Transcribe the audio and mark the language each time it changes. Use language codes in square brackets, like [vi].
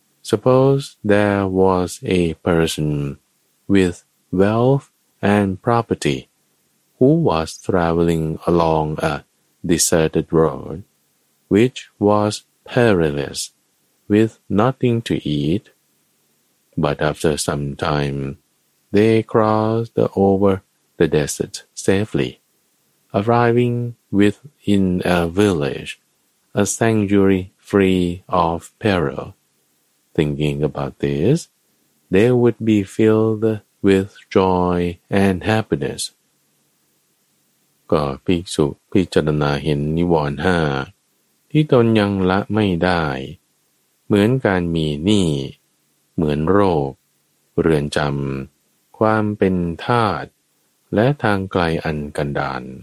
[en] Suppose there was a person with wealth and property who was traveling along a deserted road which was perilous with nothing to eat, but after some timeThey crossed over the desert safely, arriving within a village, a sanctuary free of peril. Thinking about this, they would be filled with joy and happiness. [th] ก็ภิกษุพิจารณาเห็นนิวรณ์ห้าที่ตนยังละไม่ได้เหมือนการมีหนี้เหมือนโรคเรือนจำความเป็นทาสและทางไกลอันกันดาร